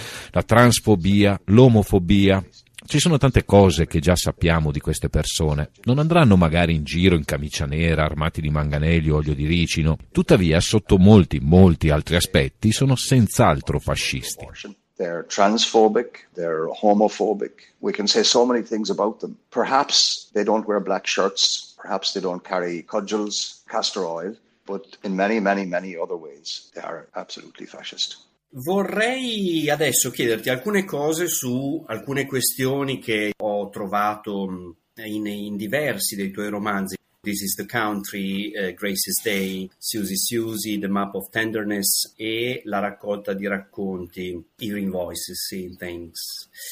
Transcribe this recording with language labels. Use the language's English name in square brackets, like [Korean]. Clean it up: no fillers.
[Italian] La transfobia, l'omofobia. Ci sono tante cose che già sappiamo di queste persone. Non andranno magari in giro in camicia nera, armati di manganelli o olio di ricino. Tuttavia, sotto molti, molti altri aspetti, sono senz'altro fascisti. [English] They're transphobic, they're homophobic. We can say so many things about them. Perhaps they don't wear black shirts, perhaps they don't carry cudgels, castor oil, but in many, many, many other ways they are absolutely fascist. [Italian] Vorrei adesso chiederti alcune cose su alcune questioni che ho trovato in diversi dei tuoi romanzi. This is the country, Grace's Day, Susie Susie, The Map of Tenderness e la raccolta di racconti, Hearing Voices, Seeing Things.